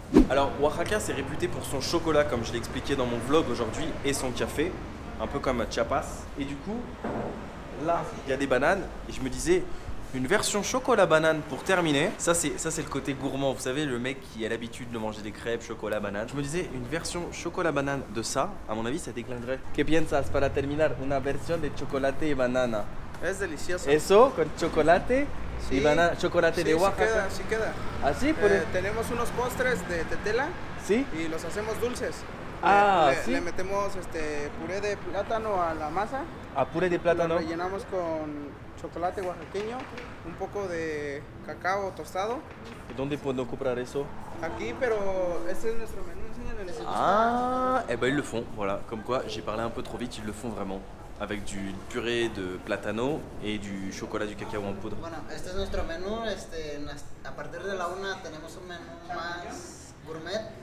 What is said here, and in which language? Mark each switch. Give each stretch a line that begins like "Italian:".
French: Alors, Oaxaca, c'est réputé pour son chocolat, comme je l'ai expliqué dans mon vlog aujourd'hui, et son café, un peu comme Chiapas. Et du coup, là, il y a des bananes, et je me disais, une version chocolat-banane pour terminer. Ça, c'est le côté gourmand, vous savez, le mec qui a l'habitude de manger des crêpes, chocolat-banane. Je me disais, une version chocolat-banane de ça, à mon avis, ça déclinerait.
Spanish: ¿Qué piensas para terminar una versión de chocolate y banana? Es delicioso. Eso, con chocolate. Sí. Y banana, chocolate sí, de Oaxaca. Sí, queda, sí queda. ¿Ah, sí? Tenemos unos postres de tela. Sí. Y los hacemos dulces. Ah, ¿sí? Le metemos puré de plátano a la masa. A puré de plátano. Lo rellenamos con chocolate oaxaqueño, un poco de cacao tostado. ¿Y dónde puedo comprar eso? Aquí, pero este es nuestro menú. Enséñales.
French: Ah, eh ben ils le font, voilà. Comme quoi, j'ai parlé un peu trop vite, ils le font vraiment. Avec du purée de plátano et du chocolat du cacao en poudre.
Spanish: Voilà, este es nuestro menú. A partir de la una tenemos un menú más gourmet.